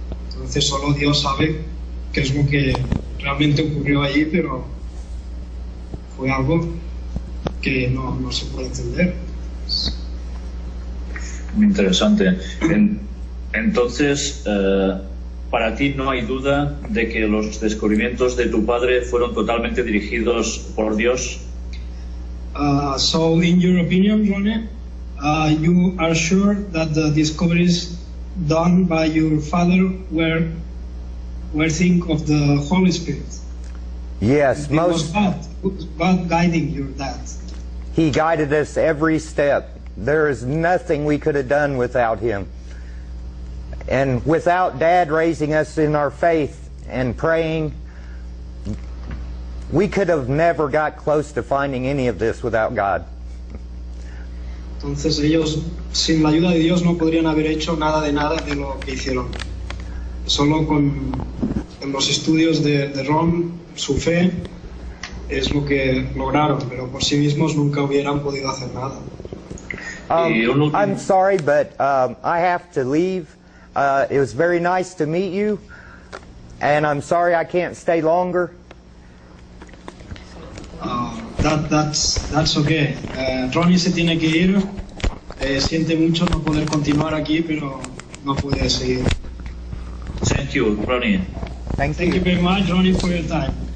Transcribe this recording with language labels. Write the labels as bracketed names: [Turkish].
[Spanish] Entonces, solo Dios sabe qué es lo que realmente ocurrió allí, pero fue algo que no se puede entender. Muy interesante. Entonces, para ti no hay duda de que los descubrimientos de tu padre fueron totalmente dirigidos por Dios. [English] So, in your opinion, Ronnie, you are sure that the discoveries done by your father were think of the Holy Spirit? Yes, most. God guiding your dad. He guided us every step. There is nothing we could have done without him. And without Dad raising us in our faith and praying, we could have never got close to finding any of this without God. [Spanish] Entonces ellos, sin la ayuda de Dios, no podrían haber hecho nada de lo que hicieron. Solo con los estudios de Ron, su fe es lo que lograron, pero por sí mismos nunca hubieran podido hacer nada. [English] I'm sorry, but I have to leave. It was very nice to meet you, and I'm sorry I can't stay longer. That's okay. [Spanish] Ronnie se tiene que ir. Siente mucho no poder continuar aquí, pero no puede seguir. [English] Thank you, Ronnie. Thank you very much, Ronnie, for your time.